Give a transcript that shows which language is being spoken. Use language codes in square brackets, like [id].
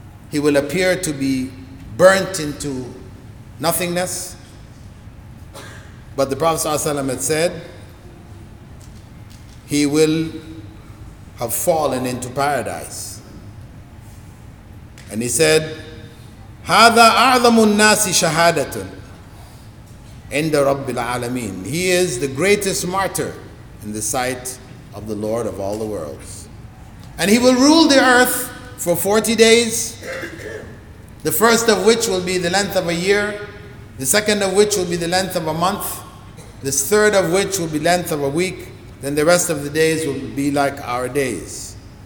[en] He will appear to be burnt into nothingness. But the Prophet ﷺ had said, he will have fallen into paradise. [ar] And he said, هذا أعظم الناس شهادة عند رب العالمين. [en] He is the greatest martyr in the sight of the Lord of all the worlds. And he will rule the earth for 40 days, the first of which will be the length of a year, the second of which will be the length of a month, the third of which will be length of a week, then the rest of the days will be like our days.